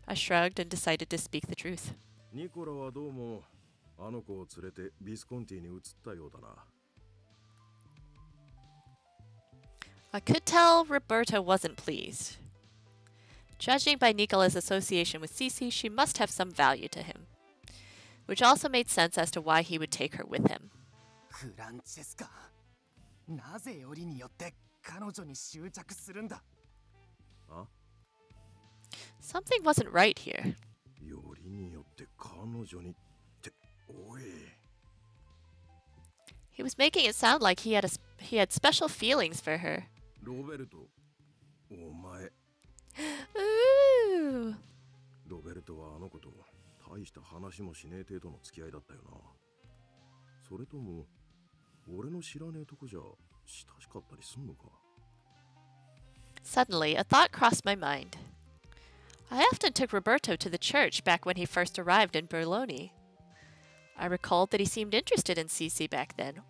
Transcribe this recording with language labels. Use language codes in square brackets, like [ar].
[en] I shrugged and decided to speak the truth. [ja] ニコラはどうもあの子を連れてビスコンティに移ったようだな。 [en] I could tell Roberto wasn't pleased. Judging by Nicola's association with Cece, she must have some value to him. Which also made sense as to why he would take her with him. [ja] Francesca, なぜよりによって彼女に執着するんだ? [en] Something wasn't right here. [ja] よりによって彼女にって、おい。 [en] He was making it sound like he had special feelings for her. [ja] ロベルト、お前。ロベルトはあの子と大した話もしねえ程度の付き合いだったよな。それとも、俺の知らねえとこじゃ親しかったりすんのか? [en] Suddenly, a thought crossed my mind. I often took Roberto to the church back when he first arrived in Berlone. I recalled that he seemed interested in CC back then.